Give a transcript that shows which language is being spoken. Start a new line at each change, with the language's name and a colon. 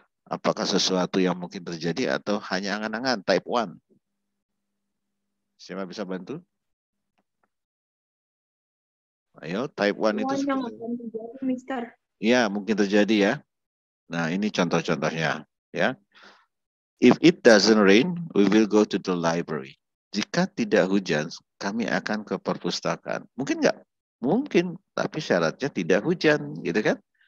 Indonesian: Apakah sesuatu yang mungkin terjadi atau hanya angan-angan type 1? Siapa bisa bantu? Ayo, type 1 itu seperti... Ya, mungkin terjadi ya. Nah, ini contoh-contohnya. Ya.
English: If it doesn't rain, we will go to the library.
Indonesian: Jika tidak hujan, kami akan ke perpustakaan. Mungkin nggak? Mungkin, tapi syaratnya tidak hujan, gitu kan?